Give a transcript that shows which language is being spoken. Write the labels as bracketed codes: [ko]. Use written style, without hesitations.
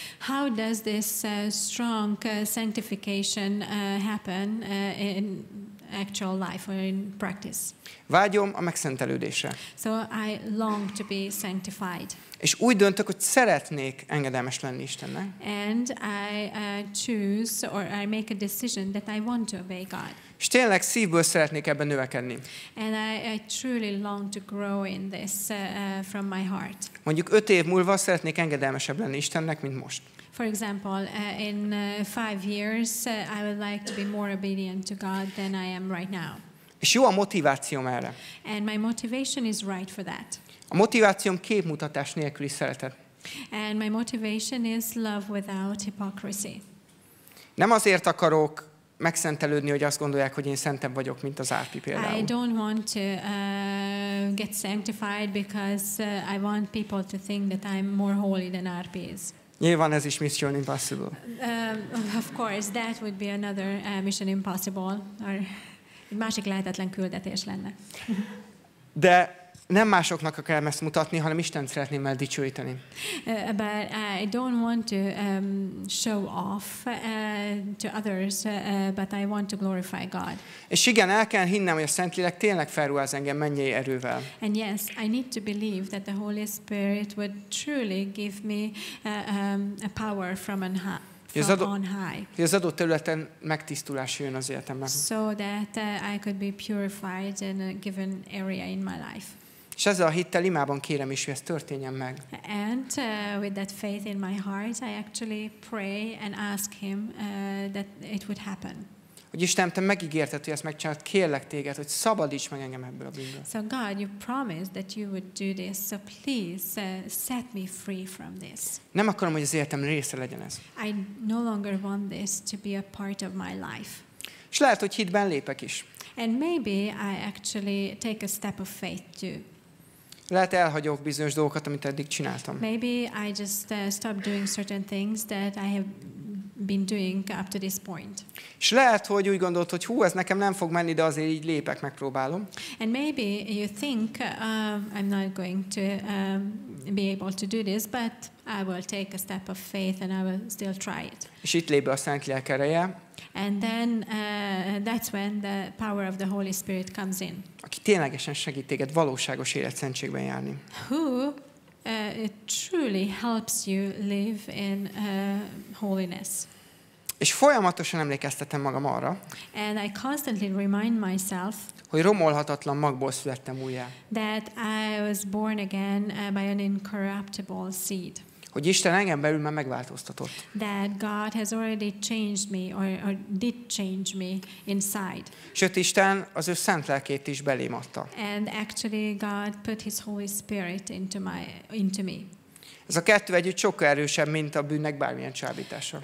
[en] How does this strong sanctification happen in actual life or in practice? [hu] Vágyom a megszentelődésre. [en] So I long to be sanctified. [hu] És úgy döntök, hogy szeretnék engedelmes lenni Istennek. [en] And I choose or I make a decision that I want to obey God. [hu] És tényleg szívből szeretnék ebben növekedni. [en] And I truly long to grow in this from my heart. [hu] Mondjuk 5 év múlva szeretnék engedelmesebb lenni Istennek, mint most. [en] For example, in 5 years, I would like to be more obedient to God than I am right now. [hu] És jó a motivációm erre. [en] And my motivation is right for that. [hu] A motivációm képmutatás nélküli szeretet. [en] And my motivation is love without hypocrisy. [hu] Nem azért akarok megszentelődni, hogy azt gondolják, hogy én szentebb vagyok, mint az Árpi például. [en] I don't want to get sanctified because I want people to think that I'm more holy than Árpi is. [hu] Nyilván ez is [en] mission impossible. Of course, that would be another mission impossible. [hu] Or egy másik lehetetlen küldetés lenne. De nem másoknak kell ezt mutatni, hanem Isten szeretném el dicsőíteni. [en] But I don't want to show off to others, but I want to glorify God. [hu] És igen, el kell hinnem, hogy a Szentlélek tényleg felruház engem mennyei erővel. [en] And yes, I need to believe that the Holy Spirit would truly give me a power from on high. [hu] Hogy az adott területen megtisztulás jön az életemben. [en] So that I could be purified in a given area in my life. [hu] És ezzel a hittel imában kérem is, hogy ez történjen meg. [en] And with that faith in my heart, I actually pray and ask him that it would happen. [hu] Hogy Isten, te megígérted, hogy ezt megcsinálod, kérlek téged, hogy szabadíts meg engem ebből a bűnből. [en] So God, you promised that you would do this, so please set me free from this. [hu] Nem akarom, hogy az életem része legyen ez. [en] I no longer want this to be a part of my life. [hu] És lehet, hogy hitben lépek is. [en] And maybe I actually take a step of faith too. [hu] Lehet elhagyok bizonyos dolgokat, amit eddig csináltam. [en] Maybe I just stop doing certain things that I have been doing up to this point. [hu] És lehet, hogy úgy gondolt, hogy hú, ez nekem nem fog menni, de azért így lépek, megpróbálom. [en] And maybe you think I'm not going to be able to do this, but I will take a step of faith and I will still try it. [hu] És itt lép be a Szentlélek ereje. [en] And then that's when the power of the Holy Spirit comes in. [hu] Aki ténylegesen segít téged valóságos életszentségben járni. [en] Who it truly helps you live in holiness. [hu] És folyamatosan emlékeztetem magam arra. [en] And I constantly remind myself. [hu] Hogy romolhatatlan magból születtem újjá. [en] That I was born again by an incorruptible seed. [hu] hogy Isten engem belül már megváltoztatott. [en] That God has already changed me or did change me inside. [hu] Sőt, Isten az ő szent lelkét is belém adta. [en] And actually God put his Holy Spirit into me. [hu] Ez a kettő együtt sokkal erősebb, mint a bűnnek bármilyen csábítása.